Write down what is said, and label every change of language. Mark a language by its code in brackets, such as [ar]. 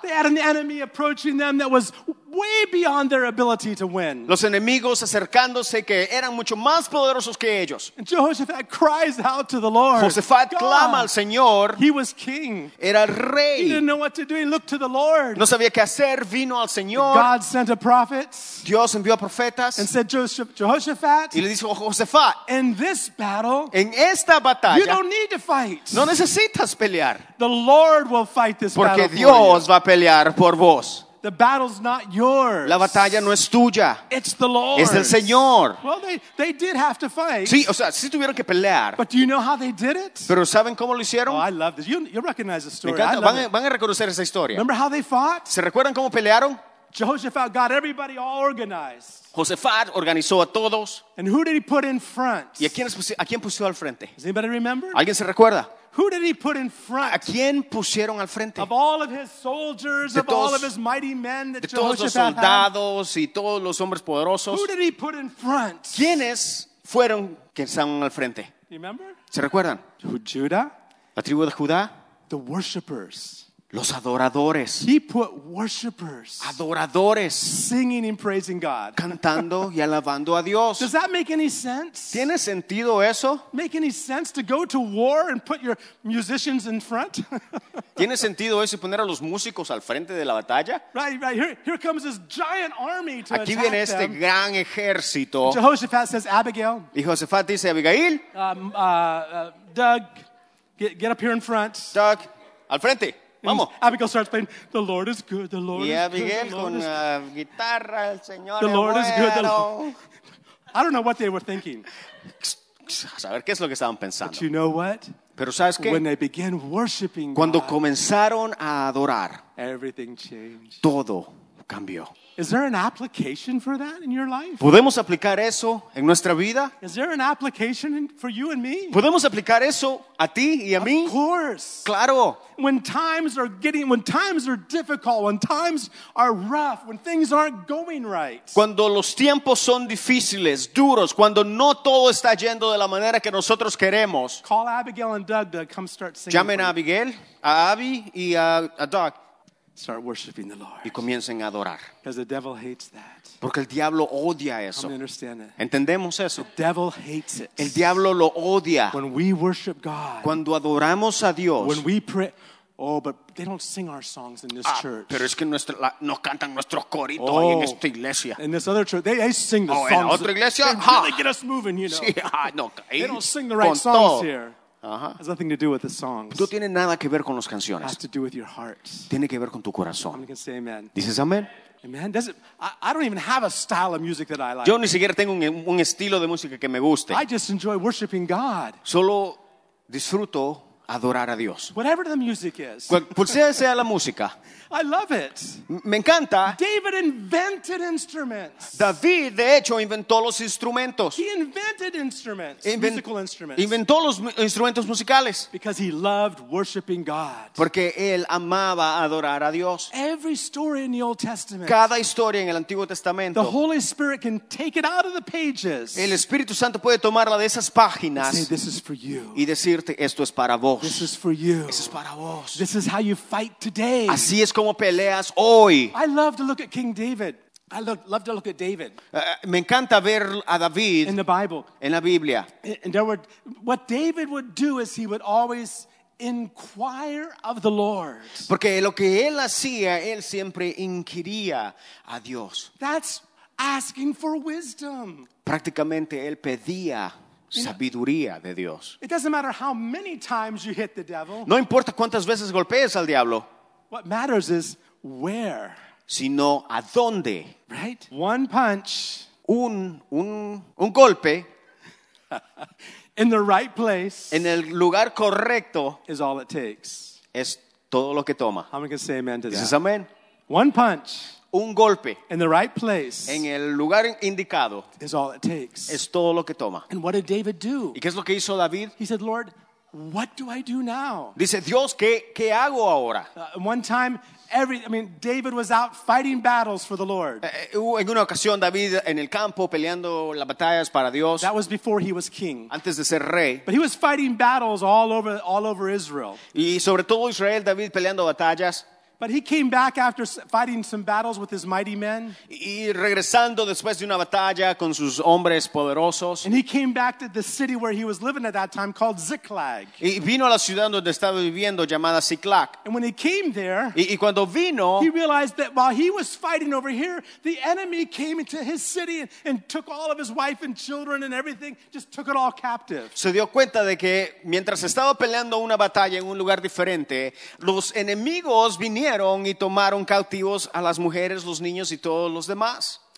[en] They had an enemy approaching them that was way beyond their ability to win. [es] Los enemigos acercándose que eran mucho más poderosos que ellos. [en] And Jehoshaphat cries out to the Lord. [es] Josafat clama al Señor. [en] He was king. [es] Era rey. [en] He didn't know what to do. He looked to the Lord. [es] No sabía qué hacer. Vino al Señor. [en] God sent a prophet. [es] Dios envió a profetas. [en] And said, Jehoshaphat. [es] Y le dijo, Josafat. [en] In this battle. [es] En esta batalla. [en] You don't need to fight. [es] No necesitas pelear. [en] The Lord will fight this [es] porque [en] battle. [es] Porque Dios [en] for you. [es] Va a pelear por vos. [en] The battle's not yours. [es] La batalla no es tuya. [en] It's the Lord. [es] Es el Señor. [en] Well, they did have to fight. [es] Sí, o sea, sí tuvieron que pelear. [en] But do you know how they did it? [es] ¿Pero saben cómo lo hicieron? [en] Oh, I love this. You'll recognize the story. [es] Me encanta. Van, [en] I love [es] van a reconocer esa historia. [en] Remember how they fought? [es] ¿Se recuerdan cómo pelearon? [en] Jehoshaphat got everybody all organized. [es] Josafat organizó a todos. [en] And who did he put in front? [es] ¿Y a quién puso al frente? [en] Does anybody remember? [es] ¿Alguien se recuerda? [en] Who did he put in front? [es] ¿A quién pusieron al frente? [en] Of all of his soldiers, [es] de todos, [en] of all of his mighty men that Jehoshaphat [es] had. De todos los soldados y todos los hombres poderosos. [en] Who did he put in front? [es] ¿Quiénes fueron que estaban al frente? [en] You remember? [es] ¿Se recuerdan? [en] Judah. [es] La tribu de Judá. [en] The worshippers. [es] Los adoradores. [en] He put worshipers. [es] Adoradores. [en] Singing and praising God. [es] Cantando y alabando a Dios. [en] Does that make any sense? [es] ¿Tiene sentido eso? [en] Make any sense to go to war and put your musicians in front? [es] ¿Tiene sentido eso y poner a los músicos al frente de la batalla? [en] Right. Here comes this giant army to attack them. [es] Aquí viene este [en] them. [es] Gran ejército. [en] Jehoshaphat says Abigail. [es] Y Josafat dice Abigail. [en] Doug, get up here in front. [es] Doug, al frente. [en] And Abigail starts playing, the Lord is good, the Lord [es] y [en] is Abigail good, the [es] con [en] Lord, [es] is, guitarra, el Señor [en] the Lord [es] bueno. [en] Is good, the Lord. I don't know what they were thinking. [es] A saber, ¿qué es lo que estaban pensando? [en] But you know what? [es] Pero ¿sabes qué? [en] When they began worshiping [es] cuando [en] God, [es] comenzaron a adorar, [en] everything changed. [es] Todo cambió. [en] Is there an application for that in your life? [es] ¿Podemos aplicar eso en nuestra vida? [en] Is there an application for you and me? [es] ¿Podemos aplicar eso a ti y a mí? [en] Of course. [es] Claro. [en] When times are difficult, when times are rough, when things aren't going right. [es] Cuando los tiempos son difíciles, duros, cuando no todo está yendo de la manera que nosotros queremos. [en] Call Abigail and Doug to come start singing. [es] Llamen a Abigail, a Abby y a Doug. [en] Start worshiping the Lord. [es] Y comiencen a adorar. [en] Because the devil hates that. [es] Porque el diablo odia eso. [en] Come understand it. [es] Entendemos eso. [en] The devil hates it. [es] El diablo lo odia. [en] When we worship God. [es] Cuando adoramos a Dios. [en] When we pray. Oh, but they don't sing our songs in this church. [es] Pero es que no cantan nuestro corito ahí en esta iglesia. [en] In this other church, they sing the songs. [es] En otra iglesia, [en] they really get us moving, you know. [es] Sí, no, [en] they don't sing the right songs here. Has nothing to do with the songs. [es] No tiene nada que ver con las canciones. [en] Has to do with your heart. [es] Tiene que ver con tu corazón. [en] I'm gonna say amen. [es] Dices amén. [en] Amen. I don't even have a style of music that I like. [es] Yo ni siquiera tengo un estilo de música que me guste. [en] I just enjoy worshiping God. [es] Solo disfruto adorar a Dios. [en] Whatever the music is. [es] Pues sea la música. [en] I love it. [es] Me encanta. [en] David invented instruments. [es] David, de hecho, inventó los instrumentos. [en] He invented instruments, musical instruments. [es] Inventó los instrumentos musicales. [en] Because he loved worshiping God. [es] Porque él amaba adorar a Dios. [en] Every story in the Old Testament. [es] Cada historia en el Antiguo Testamento. [en] The Holy Spirit can take it out of the pages. [es] El Espíritu Santo puede tomarla de esas páginas. [en] And say, this is for you. [es] Y decirte, esto es para vos. [en] This is for you. [es] Eso es para vos. [en] This is how you fight today. [es] Así es como peleas hoy. [en] I love to look at King David. I love to look at David. [es] Me encanta ver a David [en] in the Bible. [es] En la Biblia. [en] And there were, what David would do is he would always inquire of the Lord. [es] Porque lo que él hacía, él siempre inquiría a Dios. [en] That's asking for wisdom. [es] Prácticamente él pedía sabiduría de Dios. [en] It doesn't matter how many times you hit the devil. [es] No importa cuántas veces golpees al diablo. [en] What matters is where. [es] Sino a dónde. [en] Right? One punch. [es] Un golpe. [en] In the right place. [es] En el lugar correcto. [en] Is all it takes. [es] Es todo lo que toma. [en] How many can say amen to that? [es] Dices amen. [en] One punch. [es] Un golpe. [en] In the right place. [es] En el lugar indicado. [en] Is all it takes. [es] Es todo lo que toma. [en] And what did David do? [es] ¿Y qué es lo que hizo David? [en] He said, Lord, what do I do now? [es] Dice Dios, ¿qué hago ahora? [en] One time, David was out fighting battles for the Lord. [es] En una ocasión David en el campo peleando las batallas para Dios. [en] That was before he was king. [es] Antes de ser rey. [en] But he was fighting battles all over Israel. [es] Y sobre todo Israel, David peleando batallas. [en] But he came back after fighting some battles with his mighty men. [es] Y regresando después de una batalla con sus hombres poderosos. [en] And he came back to the city where he was living at that time called Ziklag. [es] Y vino a la ciudad donde estaba viviendo llamada Ziklag. [en] And when he came there, [es] y cuando vino, [en] he realized that while he was fighting over here, the enemy came into his city and took all of his wife and children and everything, just took it all captive. [es] Se dio cuenta de que mientras estaba peleando una batalla en un lugar diferente, los enemigos vinieron y tomaron cautivos a las mujeres, los niños y todos los demás.